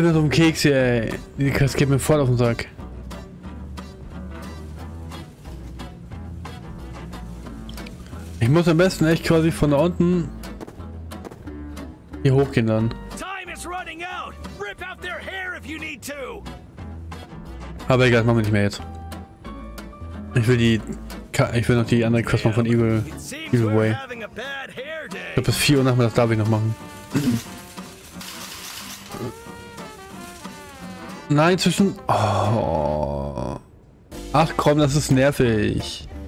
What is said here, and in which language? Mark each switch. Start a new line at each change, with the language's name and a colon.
German: Keks hier, ey. Die Quest geht mir voll auf den Sack. Ich muss am besten echt quasi von da unten hier hochgehen dann.
English: Time is running out. Rip out their hair if you need to.
German: Aber egal, das machen wir nicht mehr jetzt. Ich will noch die andere Quest machen von Evil Way. Ich glaube, bis 4 Uhr nachmittags darf ich noch machen. Nein, zwischen. Oh. Ach komm, das ist nervig.